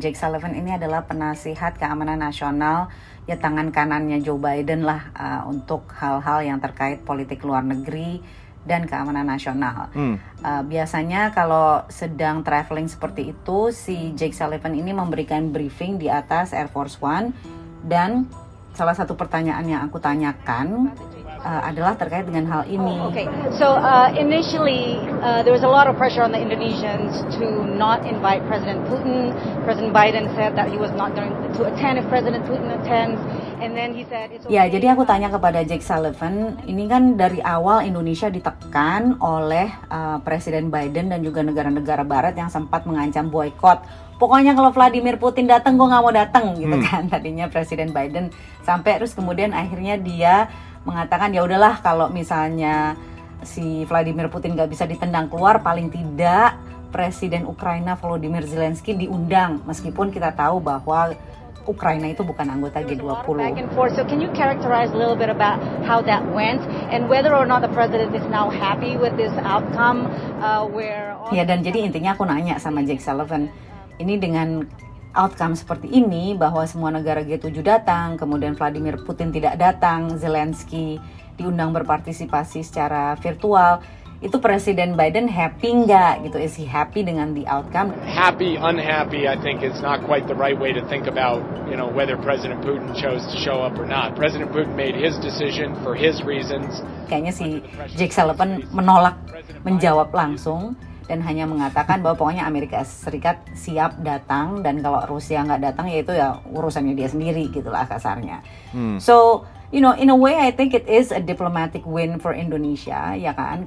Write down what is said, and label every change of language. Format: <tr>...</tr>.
<id>Jake Sullivan ini adalah penasihat keamanan nasional, ya tangan kanannya Joe Biden lah, untuk hal-hal yang terkait politik luar negeri dan keamanan nasional. Biasanya kalau sedang traveling seperti itu, si Jake Sullivan ini memberikan briefing di atas Air Force One. Dan salah satu pertanyaan yang aku tanyakan adalah terkait dengan hal ini.</id> <en>So initially there was a lot of pressure on the Indonesians to not invite President Putin. President Biden said that he was not going to attend if President Putin attends. And then he said it's okay.</en> <id>Ya, jadi aku tanya kepada Jake Sullivan, ini kan dari awal Indonesia ditekan oleh Presiden Biden dan juga negara-negara barat yang sempat mengancam boikot. Pokoknya kalau Vladimir Putin datang, gue gak mau datang gitu kan. Tadinya Presiden Biden sampai terus kemudian akhirnya dia mengatakan ya udahlah kalau misalnya si Vladimir Putin gak bisa ditendang keluar, paling tidak Presiden Ukraina Volodymyr Zelensky diundang, meskipun kita tahu bahwa Ukraina itu bukan anggota G20.</id> <en>So can you characterize a little bit about how that went and whether or not the president is now happy with this outcome where all...</en> <id>Ya, dan jadi intinya aku nanya sama Jake Sullivan, ini dengan outcome seperti ini bahwa semua negara G7 datang, kemudian Vladimir Putin tidak datang, Zelensky diundang berpartisipasi secara virtual, itu Presiden Biden happy nggak gitu?</id> <en>Is he happy</en> <id>dengan</id> <en>the outcome? Happy, unhappy, I think it's not quite the right way to think about, you know, whether President Putin chose to show up or not. President Putin made his decision for his reasons.</en> <id>Kayaknya si Jake Sullivan menolak menjawab langsung dan hanya mengatakan bahwa pokoknya Amerika Serikat siap datang dan kalau Rusia nggak datang ya itu ya urusannya dia sendiri gitulah kasarnya.</id> <en>So, you know, in a way I think it is a diplomatic win for Indonesia,</en> <id>ya kan?</id>